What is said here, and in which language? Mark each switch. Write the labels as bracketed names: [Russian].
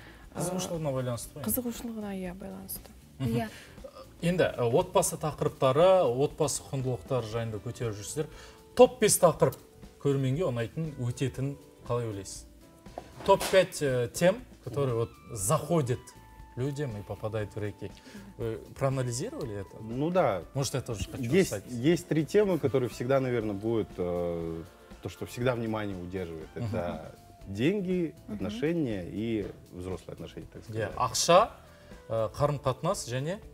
[Kazakh] Қызығушылығына байланысты. Қызығушылығына ия байланысты. Енді отбасы тақырыптары, отбасы құндылықтары жайында көтеріп жүрсіздер. Топ 5 тақырып көрменге ұнайтын, өтетін қалай ойлайсыз? [Russian] Топ 5 тем, который вот заходит людям и попадает в реки. Вы проанализировали это? Ну да. Может, я тоже хочу сказать. Есть три темы, которые всегда, наверное, будут то, что всегда внимание удерживает. Это деньги, отношения и взрослые отношения, так сказать. [Kazakh] Ахша, қарым-қатынас, және?